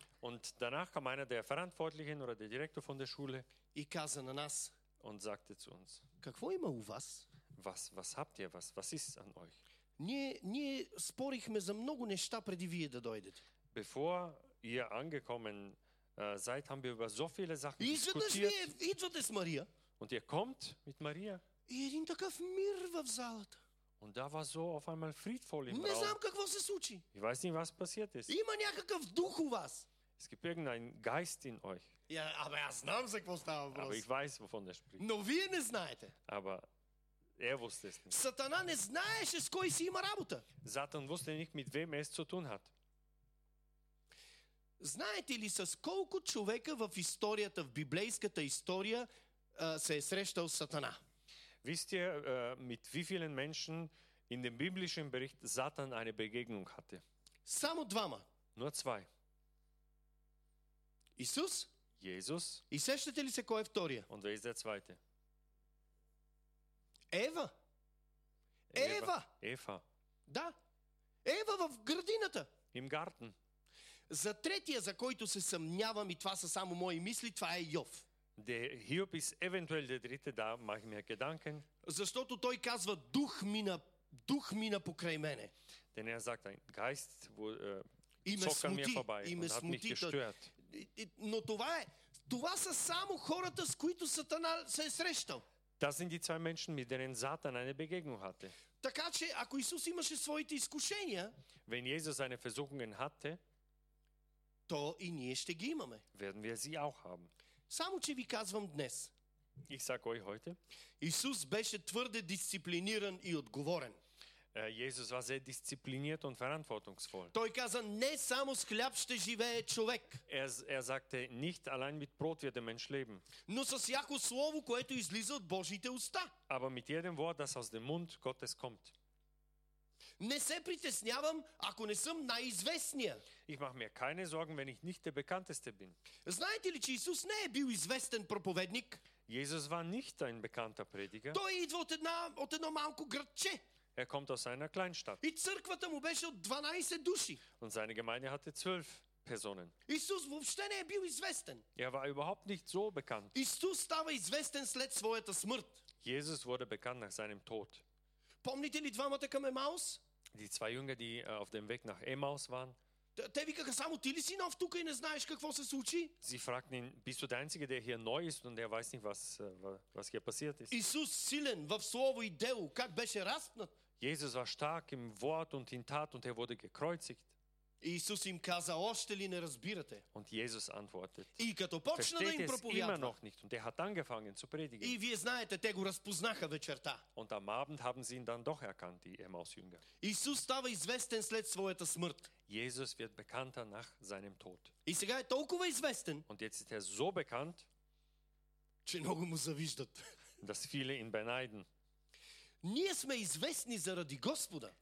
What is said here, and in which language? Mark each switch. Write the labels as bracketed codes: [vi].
[de] Und danach kam einer der Verantwortlichen oder der Direktor von der Schule [bg] нас, [de] und sagte zu uns, [bg] какво има у вас? [de] Was habt ihr, was ist an euch? [bg] Ние спорихме за много неща преди вие да дойдете. [de] Bevor ihr angekommen seid, haben wir über so viele Sachen diskutiert. [bg] Идвате с Мария. [de] Und ihr kommt mit Maria. [bg] И един такъв мир в залата. [de] Und da war so auf einmal friedvoll im [bg] не [de] Raum. [bg] Знам какво се случи. [de] Ich weiß nicht, was passiert ist. [bg] Има някакъв дух у вас. [de] Es gibt irgendeinen Geist in euch. Ja, aber [bg] я знам за какво става въпрос. [de] Aber ich weiß, wovon er spricht. [bg] Но вие не знаете. [de] Aber er wusste es nicht. [bg] Сатана не знаеше с кой си има работа. [de] Satan wusste nicht, mit wem es zu tun hat. [bg] Знаете ли с колко човека в историята, в библейската история, се е срещал Сатана? [de] Wisst ihr, mit wie vielen Menschen in dem biblischen Bericht Satan eine Begegnung hatte? [bg] Само двама. [de] Nur zwei. [bg] Исус? [de] Jesus. [bg] И сещате ли се кой е втория? [de] Und wer ist der zweite? [bg] Ева. Ева. Ева. Да. Ева в градината. [de] Im Garten. [bg] За третия, за който се съмнявам и това са само мои мисли, това е Йов. [de] Der Hiob ist eventuell der dritte, da mache ich mir Gedanken. [bg] Защото той казва дух мина покрай мене. [de] Denn er sagt, ein Geist zog an mir vorbei und hat mich gestört. [bg] Но това са само хората, с които Сатана се е срещал. [de] Das sind die zwei Menschen, mit denen Satan eine Begegnung hatte. [bg] Така че ако Исус имаше своите изкушения, [de] wenn Jesus seine Versuchungen hatte, [bg] то и ние ще ги имаме. [de] Werden wir sie auch haben. [bg] Само че ви казвам днес. [de] Ich sag euch heute. [bg] Исус беше твърде дисциплиниран и отговорен. [de] Jesus war sehr diszipliniert und verantwortungsvoll. [bg] Той каза, не само с хляб ще живее човек. [de] Er sagte, nicht allein mit Brot wird der Mensch leben. [bg] Но с всяко слово, което излиза от Божите уста. [de] Aber mit jedem Wort, das aus dem Mund Gottes kommt. [bg] Не се притеснявам, ако не съм най-известния. [de] Ich mache mir keine Sorgen, wenn ich nicht der bekannteste bin. [bg] Знаете ли, че Исус не е бил известен проповедник? [de] Jesus war nicht ein bekannter Prediger. [bg] Той идва от едно малко градче. [de] Er kommt aus einer Kleinstadt. [bg] И църквата му беше от 12 души. [de] Und seine Gemeinde hatte 12 Personen. [bg] Исус въобще не е бил известен. [de] Er war überhaupt nicht so bekannt. [bg] Исус става известен след своята смърт. [de] Jesus wurde bekannt nach seinem Tod. [bg] Помните ли двамата към Емаус? [de] Die zwei Jünger, die auf dem Weg nach Emmaus waren. [bg] Те викаха, само ти ли си нов тук и не знаеш какво се случи? [de] Sie fragten ihn, bist du der Einzige, der hier neu ist und der weiß nicht, was hier passiert ist. [bg] Исус силен в слово и дело, как беше распнат? [de] Jesus war stark im Wort und in Tat und er wurde gekreuzigt. [bg] Исус им каза, още ли не разбирате? [de] Und Jesus antwortet, [bg] и като почна да им проповядва, [de] und er hat angefangen zu predigen. [bg] И вие знаете, те го разпознаха вечерта. [de] Und am Abend haben sie ihn dann doch erkannt, die Emmaus-Jünger. [bg] Исус става известен след своята смърт. [de] Jesus wird bekannter nach seinem Tod. [bg] И сега е толкова известен, [de] und jetzt ist er so bekannt, [bg] че много му завиждат. [de] Dass viele ihn beneiden. [bg] Ние сме известни заради Господа.